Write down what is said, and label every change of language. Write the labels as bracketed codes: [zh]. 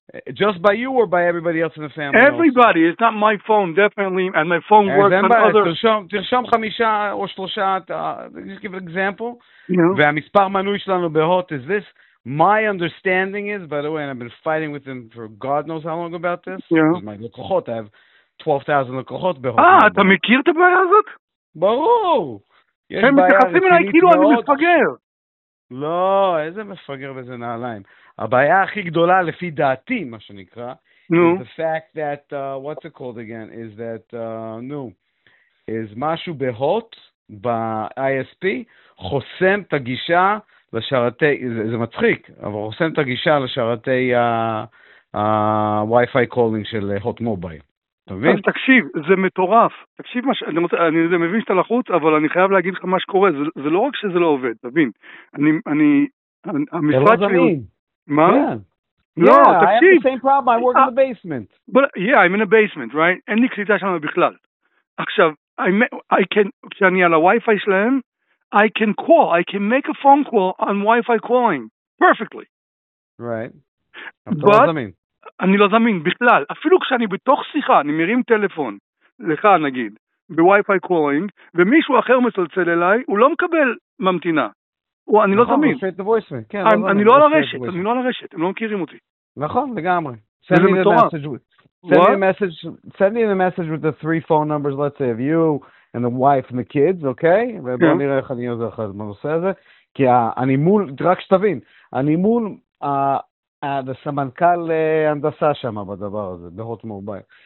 [en] Just by you or by everybody else in the family? Everybody. Also? It's not my phone, definitely. And my phone works on other... [he] תרשום חמישה או שלושה, [en] just give an example. Yeah. [he] והמספר מנוי שלנו בהוט [en] is this. My understanding is, by the way, and I've been fighting with them for God knows how long about this. Yeah. My [he] לקוחות, [en] I have 12,000 [he] לקוחות בהוט. אתה מכיר את הבעיה הזאת? ברור. הם מתייחסים אליי כאילו אני מפגר. לא, איזה מפגר בזה נעליים. הבעיה הכי גדולה לפי דעתי, מה שנקרא, [en] no. is the fact that, what's it called again, is that, is [he] משהו בהוט, ב-ISP, חוסם את הגישה לשרתי, זה מצחיק, אבל חוסם את הגישה לשרתי ה-Wi-Fi calling של הוט מובייל. אז תקשיב, זה מטורף. תקשיב, אני מבין שאתה לחוץ, אבל אני חייב להגיד לך מה שקורה. זה לא רק שזה לא עובד, תבין. אני, המשרד שלי... מה? לא, תקשיב. [en] I have the same problem, I work in the basement. Yeah, I'm in a basement, right? [he] אין לי קליטה שם בכלל. עכשיו, [en] I can, [he] כשאני על הווי-פיי שלהם, [en] I can call, I can make a phone call on Wi-Fi calling, perfectly. Right. But... [he] אני לא זמין, בכלל. אפילו כשאני בתוך שיחה, אני מרים טלפון, לך נגיד, בווי-פיי קולינג, ומישהו אחר מצלצל אליי, הוא לא מקבל ממתינה. אני לא זמין. אני לא על הרשת, אני לא על הרשת, הם לא מכירים אותי. נכון, לגמרי. [en] Send me the message. Send me the message with the three phone numbers, let's say, of you and the wife and the kids, okay? [he] ובואו נראה איך אני עוזר לך בנושא הזה, כי אני מול, רק שתבין, אני מול... סמנכ"ל הנדסה שם בדבר הזה, בהוט מובייל.